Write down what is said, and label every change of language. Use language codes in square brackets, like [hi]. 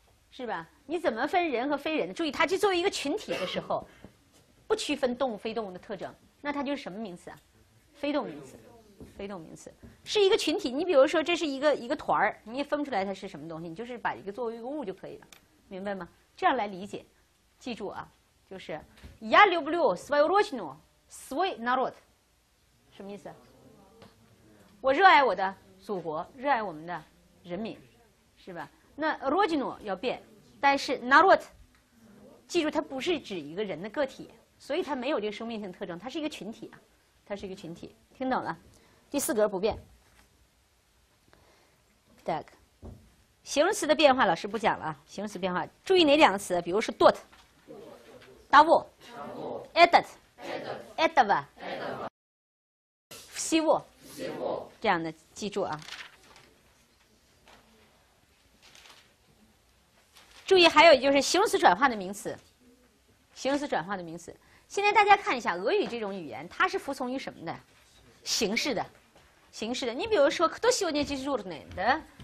[zh] 是吧？你怎么分人和非人？注意，它就作为一个群体的时候，不区分动物、非动物的特征，那它就是什么名词啊？非动名词，非动名词是一个群体。你比如说，这是一个团儿，你也分不出来它是什么东西，你就是把一个作为一个物就可以了，明白吗？这样来理解。记住啊，就是 [ru] Я люблю свою родину, свой народ， [zh] 什么意思？我热爱我的祖国，热爱我们的人民，是吧？那 родину 要变，但是 народ， 记住它不是指一个人的个体，所以它没有这个生命性特征，它是一个群体啊，它是一个群体，听懂了？第四格不变。 Так， 形容词的变化老师不讲了，形容词变化注意哪两个词？比如说 dot。 [ru] того, этот, этого, всего, [zh] 这样的记住啊。注意，还有就是形容词转换的名词，形容词转换的名词。现在大家看一下，俄语这种语言，它是服从于什么的？形式的，形式的。你比如说， [ru] кто сегодня дежурный的？